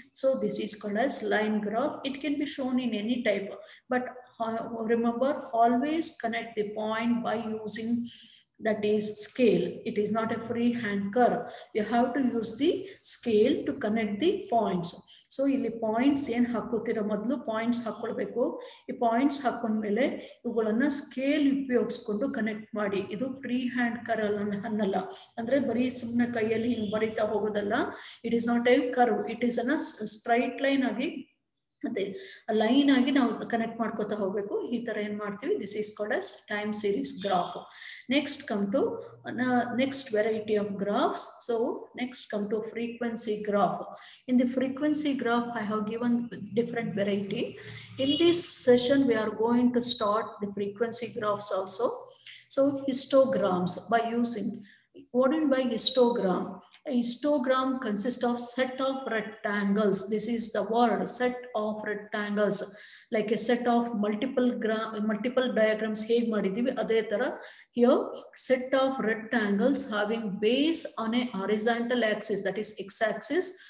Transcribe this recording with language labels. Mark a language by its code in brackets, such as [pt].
[en] So this is called as line graph. It can be shown in any type, but remember, always connect the point by using, that is, scale. It is not a freehand curve. You have to use the scale to connect the points. [kn] So ಇಲ್ಲಿ points ಏನ್ ಹಾಕೋತಿರ ಮೊದಲು points ಹಾಕೊಳ್ಬೇಕು. ಈ points ಹಾಕೊಂಡ್ಮೇಲೆ ಇವುಗಳನ್ನ scale ಉಪಯೋಗಿಸ್ಕೊಂಡು connect ಮಾಡಿ. ಇದು free hand curve ಅನ್ನಲ್ಲ, ಅಂದ್ರೆ ಬರೀ ಸುಮ್ಮನೆ ಕೈಯಲ್ಲಿ ಹಿಂಗೆ ಬರೀತಾ ಹೋಗೋದಲ್ಲ. [en] it is not a curve, it is an straight line ಆಗಿ, [kn] ಅದೇ ಲೈನ್ ಆಗಿ ನಾವು ಕನೆಕ್ಟ್ ಮಾಡ್ಕೋತಾ ಹೋಗ್ಬೇಕು. ಈ ತರ ಏನ್ ಮಾಡ್ತೀವಿ, [en] This is called as time series graph. Next come to next variety of graphs. So next come to frequency graph. In the frequency graph I have given different variety. In this session we are going to start the frequency graphs also. So histograms by using, what in by histogram? A histogram consists of set of rectangles. This is the word, set of rectangles, like a set of multiple multiple diagrams [kn] hege madidivi adhe tara [en] here set of rectangles having base on a horizontal axis, that is x axis.